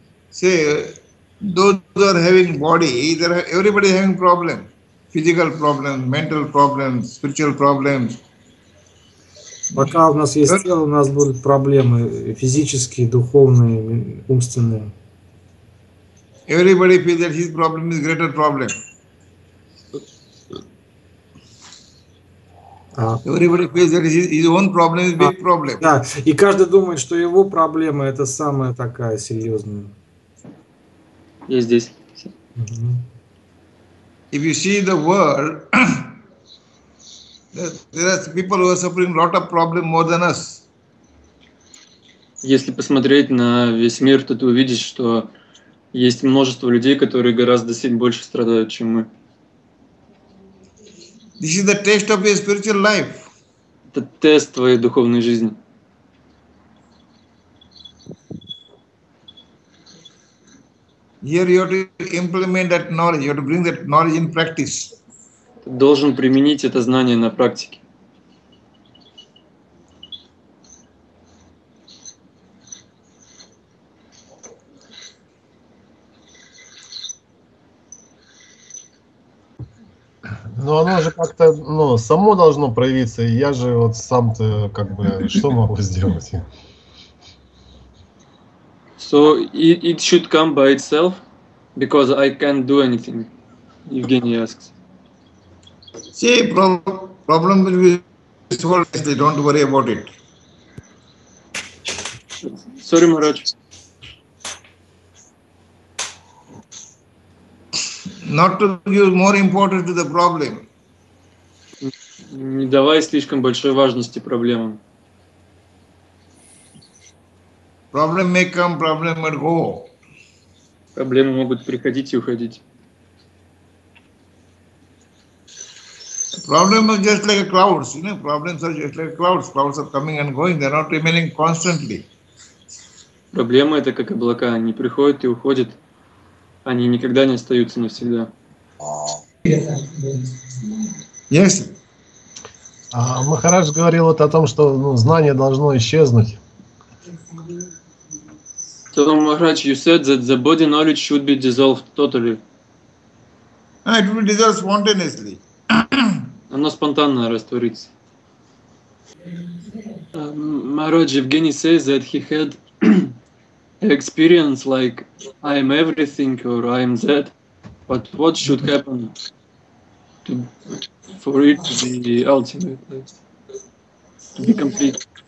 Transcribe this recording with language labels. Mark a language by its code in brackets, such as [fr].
[en] See, those are having body, everybody is having problem, physical problems, mental problems, spiritual problems. [ru] Пока у нас есть тело, у нас будут проблемы физические, духовные, умственные. [en] Everybody feels that his problem is greater problem. Everybody feels that his own problem is big problem. [ru] Да, и каждый думает, что его проблема – это самая такая серьезная. Я здесь. [en] If you see the world, there are people who are suffering a lot of problems more than us. [ru] Если посмотреть на весь мир, то ты увидишь, что есть множество людей, которые гораздо сильно больше страдают, чем мы. [en] This is the test of your spiritual life. [ru] Это тест твоей духовной жизни. [en] Here you have to implement that knowledge. You have to bring that knowledge in practice. [ru] Ты должен применить это знание на практике. Но оно же как-то, ну, само должно проявиться. Я же вот сам-то как бы что могу сделать? [en] So it should come by itself, because I can't do anything, Evgeny asks. See, problem will be solved, don't worry about it. Sorry, Maharaj. Not to give more importance to the problem. [ru] Не давай слишком большой важности проблемам. [en] Problem may come, problem may go. [ru] Проблемы могут приходить и уходить. [en] Problems are just like clouds, you know. Problems are just like clouds. Clouds are coming and going. They're not remaining constantly. [ru] Проблемы это как облака, они приходят и уходят. Они никогда не остаются навсегда. [en] Yes. [ru] Махарадж говорил вот о том, что знание должно исчезнуть. [en] So Maharaj, you said that the body knowledge should be dissolved totally. It will dissolve spontaneously. [ru] Оно спонтанно растворится. [en] Maharaj, Evgeny says that he had experience like I am everything or I am that, but what should happen for it to be ultimate, to be complete?